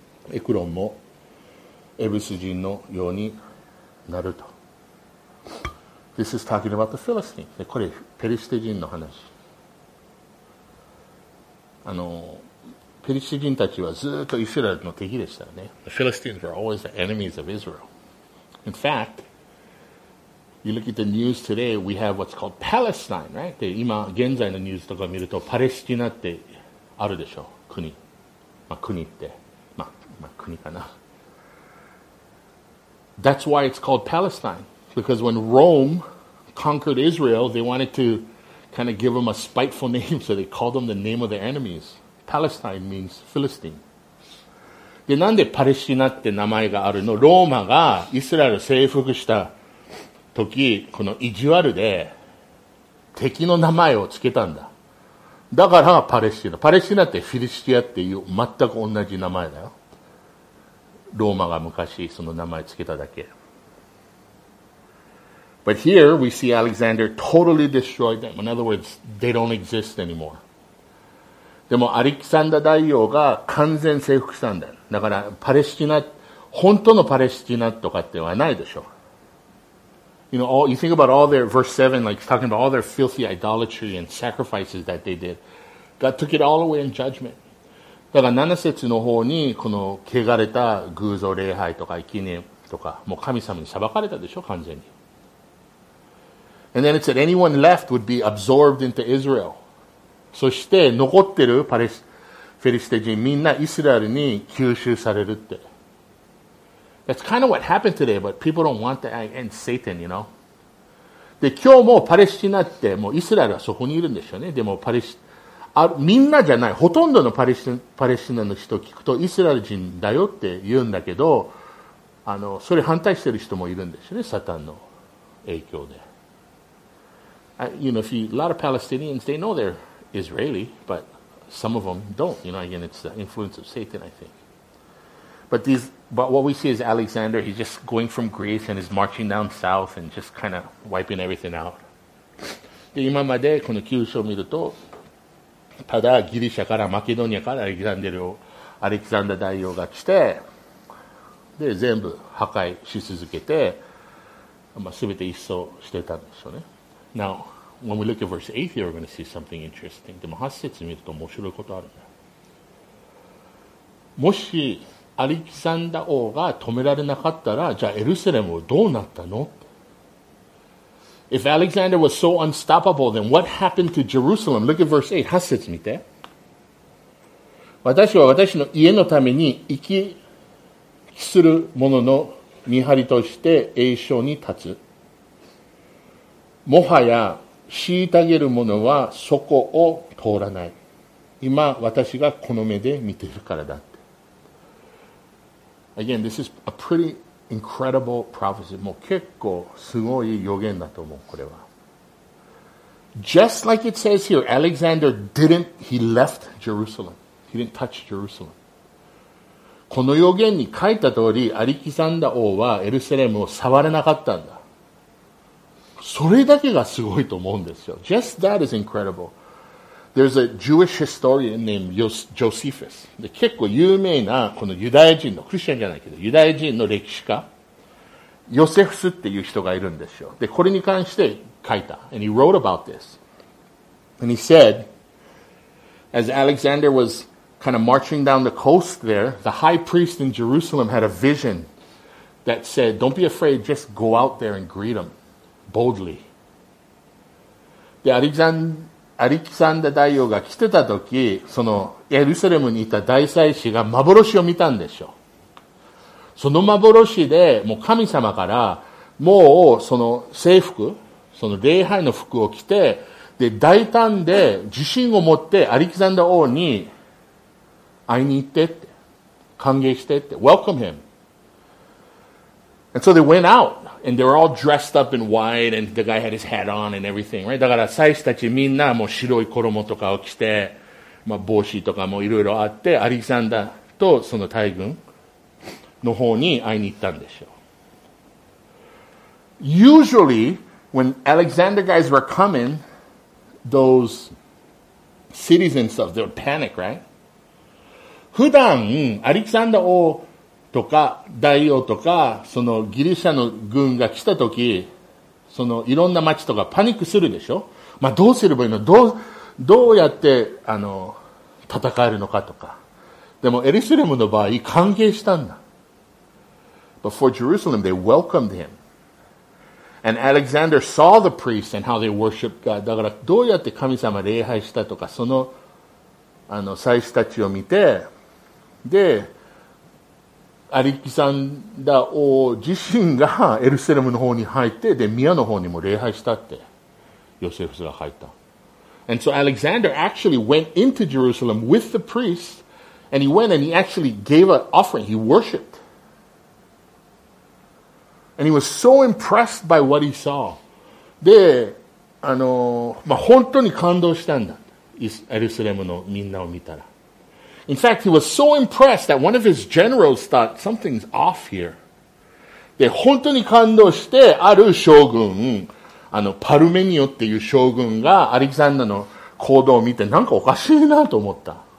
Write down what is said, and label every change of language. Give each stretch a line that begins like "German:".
Japanese: エクロンもエブス人のようになると。
English: This is talking about the Philistines.
Japanese: これペリシテ人の話。あの、ペリシテ人たちはずっとイスラエルの敵でしたよね。
English: The Philistines were always the enemies of Israel. In fact, you look at the news today, we have what's called Palestine, right?
Japanese: で、今、現在のニュースとか見ると、パレスチナってあるでしょ、国。まあ、国って。まあ、まあ、国かな。
English: That's why it's called Palestine. Because when Rome conquered Israel, they wanted to kind of give them a spiteful name, so they called them the name of their enemies. Palestine means Philistine.
Japanese: で、なんでパレスチナって名前があるの？ローマがイスラエル征服した時、この意地悪で敵の名前をつけたんだ。だからパレスチナ。パレスチナってフィリシティアっていう全く同じ名前だよ。ローマが昔その名前つけただけ。
English: But here we see Alexander totally destroyed them. In other words, they don't exist anymore.
Japanese: でもアレキサンダ大王が完全征服したんだ。だからパレスチナ、本当のパレスチナとかってはないでしょ。
English: You know, all, you think about all their, verse 7, like talking about all their filthy idolatry and sacrifices that they did. God took it all away in judgment.
Japanese: だから7節の方にこの汚れた偶像礼拝とか生贄とかもう神様に裁かれたでしょ完全に。
English: And then it said anyone left would be absorbed into Israel.
Japanese: そして残ってるパレスフェリシテ人みんなイスラエルに吸収されるって。
English: That's kind of what happened today, but people don't want that. And Satan, you know.
Japanese: で今日もパレスチナってもうイスラエルはそこにいるんでしょうね。でもパレスあみんなじゃない。ほとんどのパレスチナの人聞くとイスラエル人だよって言うんだけど、それ反対してる人もいるんでしょうね。サタンの影響で。
English: You know, if you, a lot of Palestinians, they know they're Israeli, but some of them don't. You know, again, it's the influence of Satan, I think. But what we see is Alexander, he's just going from Greece and is marching down south and just kind of wiping everything out.
Japanese: で、今までこの旧書を見ると、ただギリシャからマケドニアからアレキサンダー大王が来て、で、全部破壊し続けて、まあ、全て一掃してたんですよね。
English: Now, when we look at verse 8 here, we're going to see something interesting.
Japanese: でも8節見ると面白いことあるんだ。もし、アレキサンダ王が止められなかったら、じゃあエルサレムはどうなったの?
English: If Alexander was so unstoppable, then what happened to Jerusalem? Look at verse 8,
Japanese: 8節見て。私は私の家のために生きする者の見張りとして栄章に立つ。もはや虐げる者はそこを通らない。今私がこの目で見ているからだ。
English: Again, this is a pretty incredible prophecy.
Japanese: もう結構すごい予言だと思う、これは。
English: Just like it says here, Alexander didn't, he left Jerusalem. He didn't touch Jerusalem.
Japanese: この予言に書いた通り、アレキサンダ王はエルサレムを触れなかったんだ。それだけがすごいと思うんですよ。
English: Just that is incredible. There's a Jewish historian named Josephus.
Japanese: で、結構有名な、このユダヤ人の、クリスチャンじゃないけど、ユダヤ人の歴史家、ヨセフスっていう人がいるんですよ。で、これに関して書いた。
English: And he wrote about this. And he said, as Alexander was kind of marching down the coast there, the high priest in Jerusalem had a vision that said, don't be afraid, just go out there and greet him. Boldly.
Japanese: で、アレキサンダ大王が来てた時、そのエルサレムにいた大祭司が幻を見たんでしょう。その幻でもう神様からもうその制服、その礼拝の服を着て、で、大胆で自信を持ってアレキサンダ王に会いに行ってって、歓迎してって、
English: welcome him. And so they went out. And they were all dressed up in white, and the guy had his hat on and everything, right?
Japanese: だから祭司たちみんなもう白い衣とかを着て、まあ帽子とかもいろいろあって、アレキサンダーとその大軍の方に会いに行ったんでしょう。
English: Usually, when Alexander guys were coming, those cities and stuff, they would panic, right?
Japanese: 普段、アレキサンダーをとか大王とかそのギリシャの軍が来た時そのいろんな町とかパニックするでしょ、まあ、どうすればいいのどうやって戦えるのかとかでもエルサレムの場合歓迎したんだ
English: But for Jerusalem they welcomed him and Alexander saw the priests and how they worshiped God
Japanese: だからどうやって神様礼拝したとかその祭司たちを見てでアレキサンダ王自身がエルサレムの方に入ってで宮の方にも礼拝したってヨセフスが入った。
English: And so Alexander actually went into Jerusalem with the priests and he went and he actually gave an offering. He worshipped. And he was so impressed by what he saw.
Japanese: で、まあ、本当に感動したんだ。エルサレムのみんなを見たら。
English: In fact, he was so impressed that one of his generals thought something's off here.
Japanese: で、本当に感動して、ある将軍、パルメニオっていう将軍がアレキサンダの行動を見て、なんかおかしいなと思った。